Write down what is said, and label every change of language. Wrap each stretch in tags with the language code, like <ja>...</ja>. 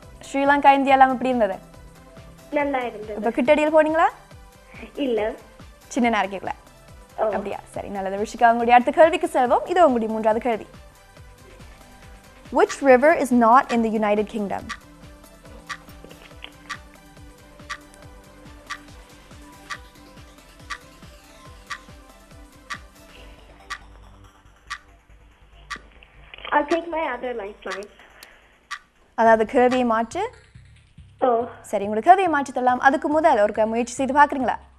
<ta>Sri Lanka India எல்லாம் எப்படி இருந்தது? நல்லா இருந்தது. அப்ப கிட்டடியில் போனீங்களா? இல்ல, சின்ன நாட்டுக்குள்ள. அப்படியா, சரி நல்லது. ரிஷிகா, உங்களுடைய அடுத்த கேள்விக்கு செல்வோம். இது உங்களுடைய மூன்றாவது கேள்வி.</ta> <en>Which river is not in the United Kingdom? I'll take my other lifeline.</en> <ta>அதாவது கேள்வியை மாற்று. சரி, உங்களுக்கு கேள்வியை மாற்றி தரலாம். அதுக்கு முதல் ஒரு முயற்சி செய்து பார்க்குறீங்களா?</ta>